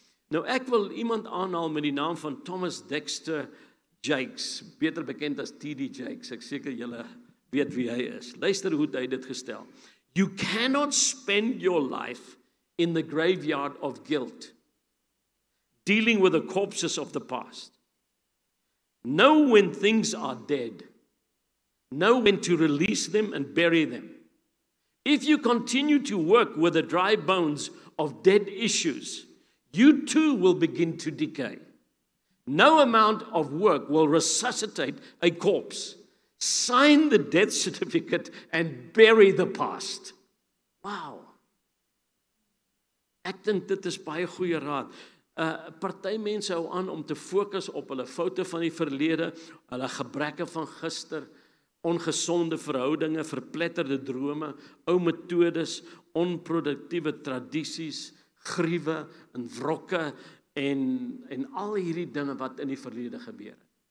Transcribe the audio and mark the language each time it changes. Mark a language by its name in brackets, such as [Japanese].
[Afrikaans] Nou ek wil iemand aanhaal met die naam van Thomas Dexter Jakes, beter bekend as T.D. Jakes. Ek seker julle weet wie hy is. Luister hoe hy dit gestel. [English] You cannot spend your life in the graveyard of guilt, dealing with the corpses of the past. Know when things are dead. Know when to release them and bury them. If you continue to work with the dry bones of dead issues, you too will begin to decay. No amount of work will resuscitate a corpse. Sign the death certificate and bury the past. Wow. [Afrikaans] Ek dink dit is baie goeie raad. Party mense hou aan om te fokus op hulle foute van die verlede, hulle gebreke van gister, ongesonde verhoudinge, verpletterde drome, ou metodes, onproduktiewe tradisies, griewe en wrokke en al hierdie dinge wat in die verlede gebeur het.